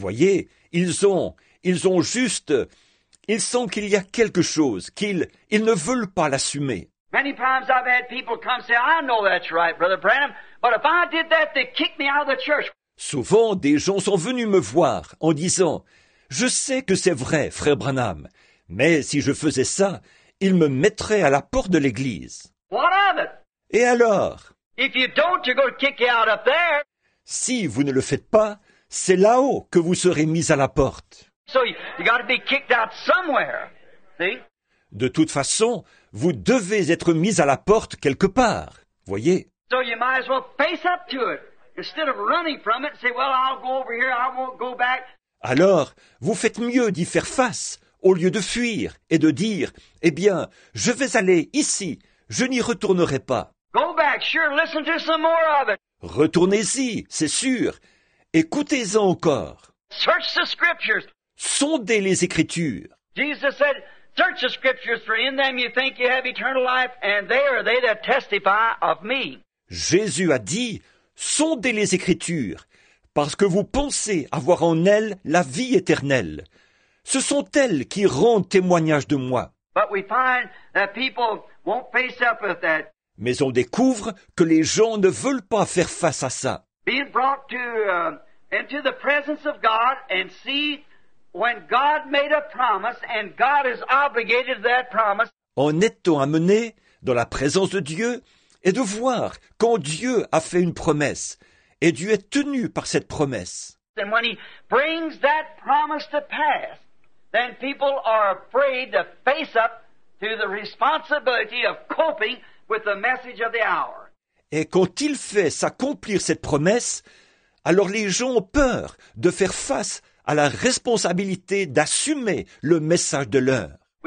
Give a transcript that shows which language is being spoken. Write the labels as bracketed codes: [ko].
[fr] voyez, ils ont juste, ils sentent qu'il y a quelque chose, qu'ils ne veulent pas l'assumer. [en] Many times I've had people come say, I know that's right, Brother Branham, but if I did that, they'd kick me out of the church. [fr] Souvent, des gens sont venus me voir en disant, je sais que c'est vrai, Frère Branham, mais si je faisais ça, ils me mettraient à la porte de l'église. [en] What of it? [fr] Et alors? [en] If you don't, you're going to kick you out up there. [fr] Si vous ne le faites pas, c'est là-haut que vous serez mis à la porte. [en] So you got to be kicked out somewhere. See? [fr] De toute façon, vous devez être mis à la porte quelque part, voyez. [en] So you might as well face up to it instead of running from it. Say, well, I'll go over here. I won't go back. [fr] Alors, vous faites mieux d'y faire face au lieu de fuir et de dire, eh bien, je vais aller ici. Je n'y retournerai pas. [en] Go back, sure. Listen to some more of it. [fr] Retournez-y, c'est sûr. Écoutez-en encore. [en] Search the scriptures. [fr] Sondez les Écritures. [en] Jesus said. Search the scriptures, for in them you think you have eternal life, and they are they that testify of me. [fr] Jésus a dit, sondez les Écritures, parce que vous pensez avoir en elles la vie éternelle. Ce sont elles qui rendent témoignage de moi. [en] But we find that people won't face up with that. [fr] Mais on découvre que les gens ne veulent pas faire face à ça. [en] Being brought to into the presence of God and see. When God made a promise and God is obligated to that promise. [fr] En étant amené dans la présence de Dieu et de voir quand Dieu a fait une promesse et Dieu est tenu par cette promesse. [en] And when he brings that promise to pass, then people are afraid to face up to the responsibility of coping with the message of the hour. [fr] Et quand il fait s'accomplir cette promesse, alors les gens ont peur de faire face à la responsabilité d'assumer le message de l'heure.